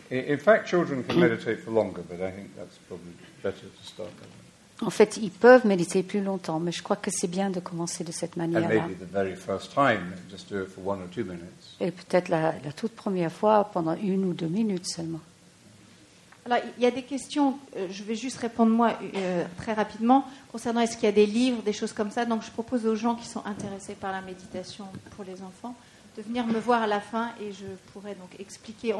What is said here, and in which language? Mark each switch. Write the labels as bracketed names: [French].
[English] In fact, children can meditate for longer, but I think that's probably better to start with. [French] En fait, ils peuvent méditer plus longtemps, mais je crois que c'est bien de commencer de cette manière-là. [English] And maybe the very first time, just do it for 1 or 2 minutes. [French] Et peut-être la toute première fois, pendant 1 ou 2 minutes seulement. Alors, il y a des questions, je vais juste répondre moi très rapidement, concernant est-ce qu'il y a des livres, des choses comme ça. Donc, je propose aux gens qui sont intéressés par la méditation pour les enfants de venir me voir à la fin et je pourrai donc expliquer.